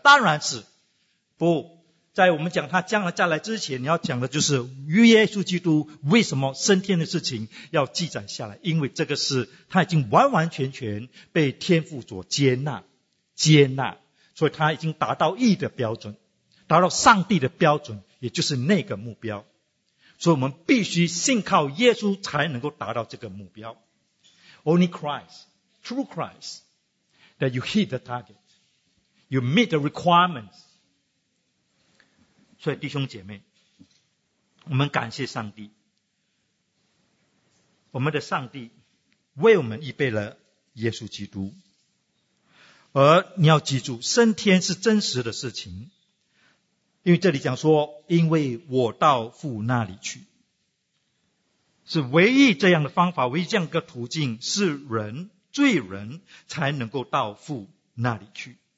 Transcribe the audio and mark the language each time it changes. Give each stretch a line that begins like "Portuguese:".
Chinese: 当然是不在我们讲他将来再来之前，你要讲的就是耶稣基督为什么升天的事情要记载下来，因为这个是他已经完完全全被天父所接纳，所以他已经达到义的标准，达到上帝的标准，也就是那个目标。所以我们必须信靠耶稣才能够达到这个目标。
English: Only Christ, through Christ, that you hit the target, you meet the requirements。
Chinese: 所以弟兄姐妹，我们感谢上帝，我们的上帝为我们预备了耶稣基督。而你要记住，升天是真实的事情，因为这里讲说，因为我到父那里去，是唯一这样的方法，唯一这样的途径，是人罪人才能够到父那里去。